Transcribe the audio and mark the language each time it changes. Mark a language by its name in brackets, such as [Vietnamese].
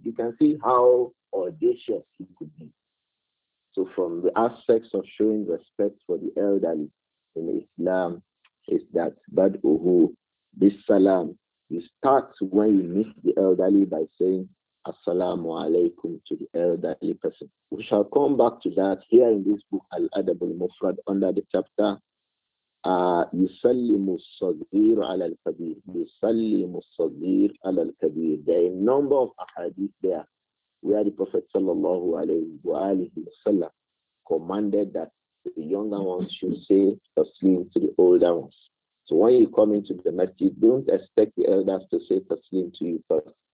[English] You can see how audacious he could be. So from the aspects of showing respect for the elderly in Islam, is that bad uhu, this salam, you start when you meet the elderly by saying, assalamu alaikum to the elderly person. We shall come back to that here in this book, Al-Adab al-Mufrad, under the chapter [Arabic] يسلم الصغير على الكبير، يسلم الصغير على الكبير. [English] There are a number of ahadith there where the Prophet sallallahu alayhi wa sallam commanded that the younger ones should say taslim to the older ones. So when you come into the masjid, don't expect the elders to say taslim to you first.